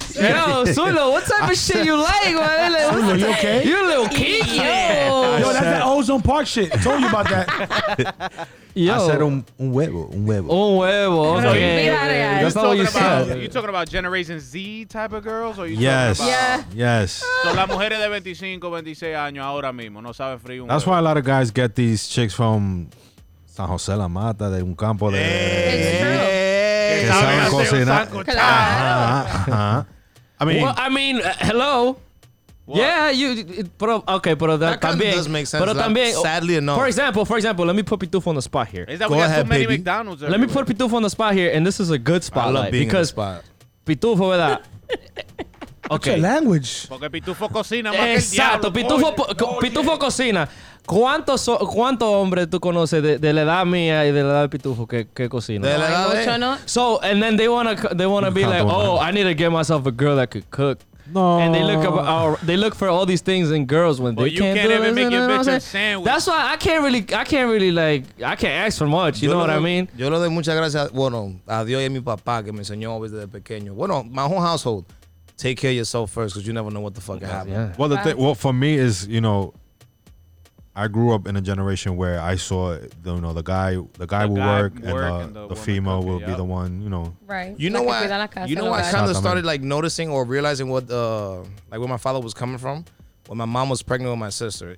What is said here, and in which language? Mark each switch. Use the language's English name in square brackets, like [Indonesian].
[English] Yo, Zulo, what type of shit you like, man? Zulo, you okay? You a little kinky. Yo, that's that Ozone Park shit. I told you about that. Yo. I said [Spanish] un huevo. Un huevo. Okay. [English] That's all you said. You talking about Generation Z type of girls? Or Yes. [Spanish] So las mujeres de 25, 26 años ahora mismo no saben frío un huevo. [English] That's why a lot of guys get these chicks from San José La Mata, [Spanish] de un campo de... Saben cocinar. [English] I mean, hello. What? Yeah, you. That does make sense. But [Spanish] también, [English] sadly enough. For example, let me put Pitufo on the spot here. Is that go we ahead, got so baby. Many McDonald's everywhere. Let me put Pitufo on the spot here, and this is a good spot. I love being because in the spot. [Spanish] Pitufo, ¿verdad? [English] Okay. What's your language? [Spanish] Porque Pitufo cocina. Exacto. Pitufo cocina. ¿Cuántos hombres tú conoces de la edad mía y de la edad de Pitufo que cocina? De la edad de... [English] So, and then they wanna be like, oh, I need to get myself a girl that could cook. No. And they look for all these things in girls when they can't do it. You can't even make your bitch a sandwich. That's why I can't ask for much. You know what I mean? [Spanish] Yo le doy muchas gracias, bueno, a Dios y a mi papá que me enseñó desde pequeño. [English] Bueno, my whole household. Take care of yourself first because you never know what the fuck happened. Yeah. Well, for me is, you know, I grew up in a generation where I saw, you know, the guy will work and the female will be the one, you know. Right. You know why I kind of started like noticing or realizing what like where my father was coming from when my mom was pregnant with my sister.